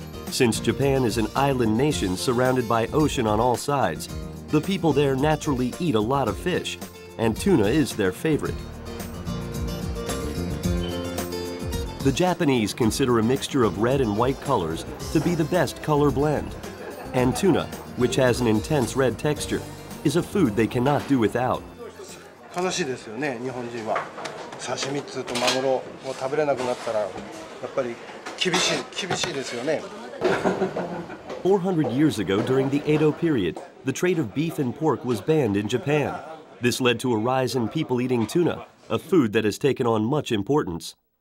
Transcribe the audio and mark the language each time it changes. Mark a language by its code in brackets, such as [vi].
[en] Since Japan is an island nation surrounded by ocean on all sides, the people there naturally eat a lot of fish, and tuna is their favorite. The Japanese consider a mixture of red and white colors to be the best color blend. And tuna, which has an intense red texture, is a food they cannot do without. [ja] 悲しいですよね、日本人は。刺身とマグロを食べれなくなったら、やっぱり厳しいですよね。 [en] 400 years ago, during the Edo period, the trade of beef and pork was banned in Japan. This led to a rise in people eating tuna, a food that has taken on much importance.